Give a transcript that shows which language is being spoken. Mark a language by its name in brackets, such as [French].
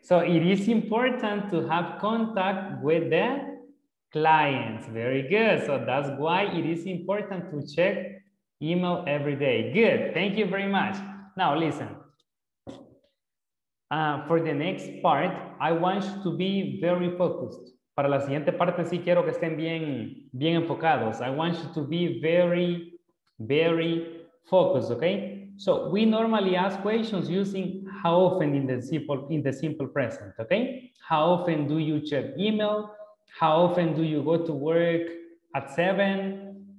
[English] So it is important to have contact with the clients. Very good. So that's why it is important to check email every day. Good. Thank you very much. Now listen. For the next part, I want you to be very focused. [Spanish] Para la siguiente parte sí quiero que estén bien, bien enfocados. [English] I want you to be very, very focused, okay? So we normally ask questions using how often in the simple present, okay? How often do you check email? How often do you go to work at 7?